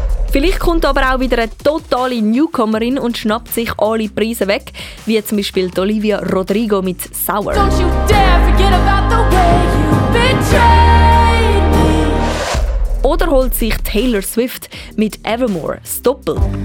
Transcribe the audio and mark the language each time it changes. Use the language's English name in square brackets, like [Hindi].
[German] Vielleicht kommt aber auch wieder eine totale Newcomerin und schnappt sich alle Preise weg, wie zum Beispiel Olivia Rodrigo mit Sour. [English] Don't you dare forget about the way you betrayed me. [German] Oder holt sich Taylor Swift mit Evermore das Doppel.